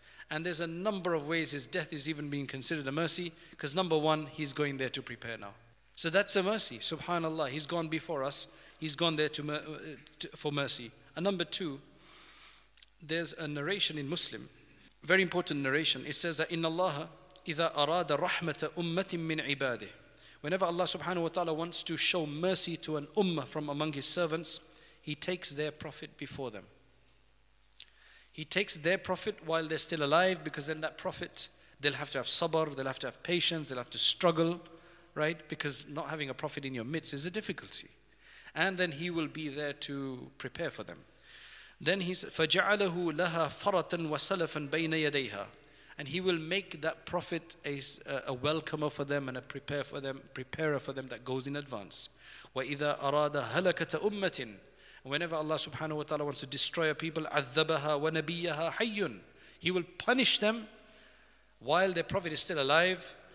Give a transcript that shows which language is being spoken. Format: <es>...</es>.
<en>And there's a number of ways his death is even being considered a mercy, because number one, he's going there to prepare now. So that's a mercy, subhanallah. He's gone before us, he's gone there for mercy. And number two, there's a narration in Muslim, very important narration. It says that</en> <ar>إِنَّ اللَّهَ إِذَا أَرَادَ رَحْمَةَ أُمَّةٍ مِّنْ عِبَادِهِ.</ar> <en>Whenever Allah subhanahu wa ta'ala wants to show mercy to an ummah from among his servants, he takes their prophet before them. He takes their prophet while they're still alive, because then that prophet, they'll have to have sabr, they'll have to have patience, they'll have to struggle, right? Because not having a prophet in your midst is a difficulty. And then he will be there to prepare for them. Then he said,</en> <ar>فَجَعَلَهُ لَهَا فَرَطًا وَسَلَفًا بَيْنَ يَدَيْهَا.</ar> <en>And he will make that prophet a welcomer for them and a preparer for them that goes in advance.</en> <ar>وَإِذَا أَرَادَ هَلَكَةَ أُمَّةٍ.</ar> <en>Whenever Allah subhanahu wa ta'ala wants to destroy a people,</en> <ar>عَذَّبَهَا وَنَبِيَّهَا حَيٌّ.</ar> <en>He will punish them while their prophet is still alive.</en>